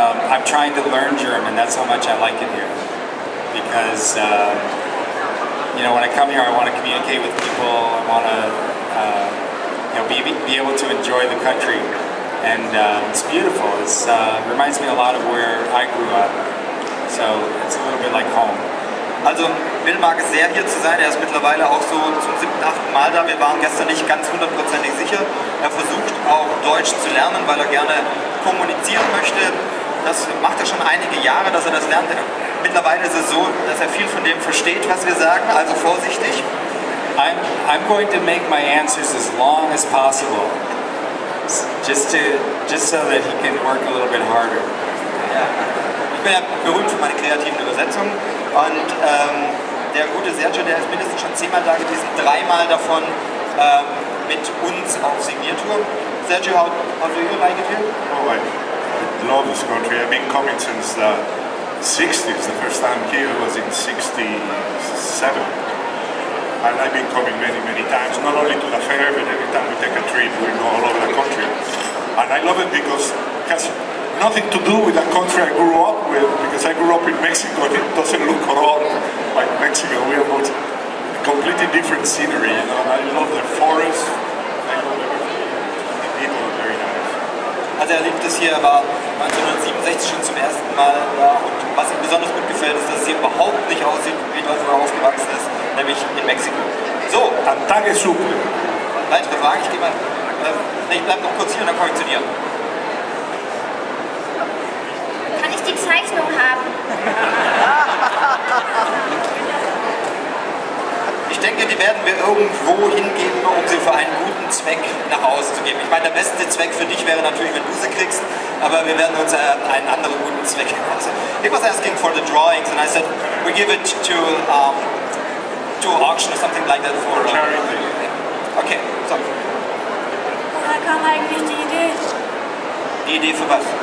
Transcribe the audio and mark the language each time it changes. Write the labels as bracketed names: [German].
[English] I'm trying to learn German. That's how much I like it here. Because, you know, when I come here, I want to communicate with people. I want to, you know, be able to enjoy the country. And it's beautiful. It reminds me a lot of where I grew up. So it's a little bit like home. [German] Also, Will mag es sehr, hier zu sein. Er ist mittlerweile auch so zum 7., 8. Mal da. Wir waren gestern nicht ganz hundertprozentig sicher. Er versucht auch Deutsch zu lernen, weil er gerne kommunizieren möchte. Das macht er schon einige Jahre, dass er das lernt. Mittlerweile ist es so, dass er viel von dem versteht, was wir sagen. Also vorsichtig. [English] I'm going to make my answers as long as possible. Just so that he can work a little bit harder. Yeah. [German] Ich bin ja berühmt für meine kreativen Übersetzungen. Und der gute Sergio, der ist mindestens schon 10-mal da gewesen, 3-mal davon mit uns auf Signiertour. [English] Sergio, how do you like it here? Oh, I love this country. I've been coming since the 60s. The first time here was in 67. And I've been coming many, many times, not only to the fair, but every time we take a trip, we go all over the country. And I love it because it has nothing to do with the country I grew up with, because I grew up in Mexico, and it doesn't look at all like Mexico. We have a completely different scenery, you know. I love the forest, I love everything. The people are very nice. [German] Also, er liebt es hier, er war 1967 schon zum ersten Mal da. Und was ihm besonders gut gefällt, ist, dass es hier überhaupt nicht aussieht, wie dort, wo er aufgewachsen ist, nämlich in Mexiko. So. Danke, super. Weitere Frage, ich gehe mal. Ich bleib noch kurz hier und dann komme ich zu dir. die Zeichnung haben. Ich denke, die werden wir irgendwo hingeben, um sie für einen guten Zweck nach Hause zu geben. Ich meine, der beste Zweck für dich wäre natürlich, wenn du sie kriegst, aber wir werden uns einen anderen guten Zweck nach Hause. [English] He was asking for the drawings and I said, we give it to auction or something like that for charity. Okay, so. [German] Woher kam eigentlich die Idee? Die Idee für was?